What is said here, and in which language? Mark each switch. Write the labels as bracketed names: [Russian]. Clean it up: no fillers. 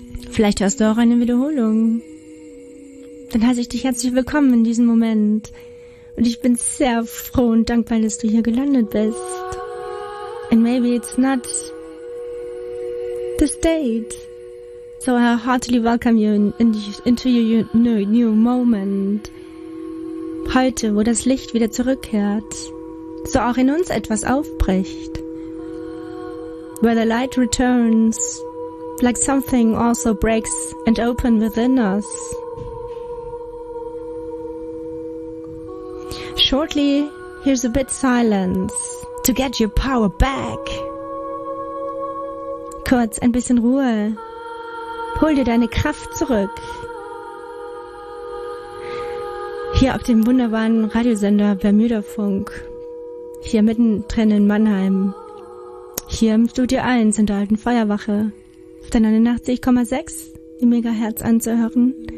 [German] Vielleicht hörst du auch eine Wiederholung. Dann heiße ich dich herzlich willkommen in diesem Moment. Und ich bin sehr froh und dankbar, dass du hier gelandet bist. [English] And maybe it's not this date. So I heartily welcome you into your new moment. [German] Heute, wo das Licht wieder zurückkehrt, so auch in uns etwas aufbricht. [English] Where the light returns, like something also breaks and opens within us. Shortly, here's a bit silence to get your power back. [German] Kurz ein bisschen Ruhe. Hol dir deine Kraft zurück. Hier auf dem wunderbaren Radiosender Bermudafunk. Hier mittendrin in Mannheim. Hier im Studio 1 in der alten Feuerwache. Auf der 89,6 Megahertz anzuhören.